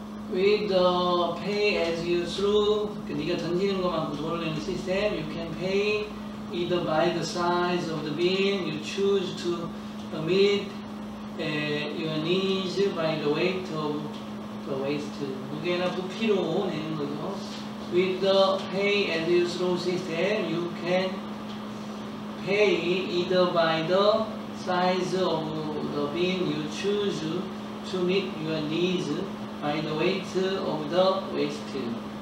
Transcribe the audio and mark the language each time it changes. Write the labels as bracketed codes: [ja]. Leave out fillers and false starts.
[en] With the pay as you throw, [ko] 그러니까 네가 던지는 것만큼 돈을 내는 시스템, [en] you can pay either by the size of the bin you choose to emit your needs by the weight of the waste. [ko] 무게나 부피로 내는 거죠. [en] With the pay as you throw system, you can pay either by the size of the bin you choose to meet your needs by the weight of the waste.